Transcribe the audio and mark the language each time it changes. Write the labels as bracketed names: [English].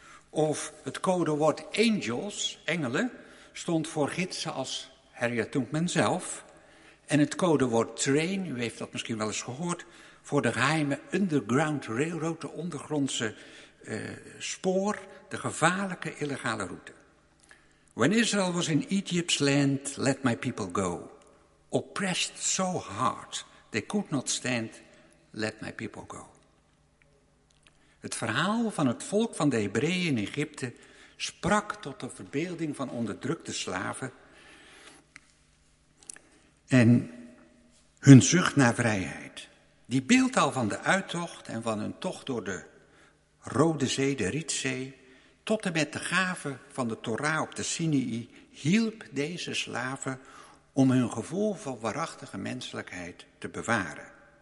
[Dutch] Of het codewoord angels, engelen, stond voor gidsen als Harriet Tubman zelf. En het codewoord train, u heeft dat misschien wel eens gehoord, voor de geheime Underground Railroad, de ondergrondse spoor, de gevaarlijke illegale route. [English] When Israel was in Egypt's land, let my people go. Oppressed so hard, they could not stand, let my people go. [Dutch] Het verhaal van het volk van de Hebreeën in Egypte sprak tot de verbeelding van onderdrukte slaven en hun zucht naar vrijheid. Die beeldtaal van de uittocht en van hun tocht door de Rode Zee, de Rietzee, tot en met de gave van de Tora op de Sinaï, hielp deze slaven om hun gevoel van waarachtige menselijkheid te bewaren.